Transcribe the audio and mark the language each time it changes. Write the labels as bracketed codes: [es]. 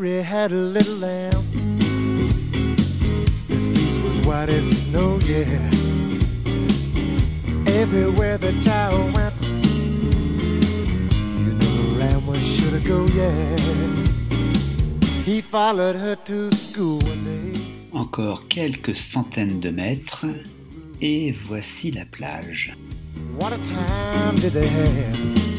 [en] Had a little lamb, his fleece was white as snow, yeah. Everywhere the child went, you know the lamb was sure to go, yeah. He followed her to school one day. [fr] Encore quelques centaines de mètres, et voici la plage. [en] What a time did they have,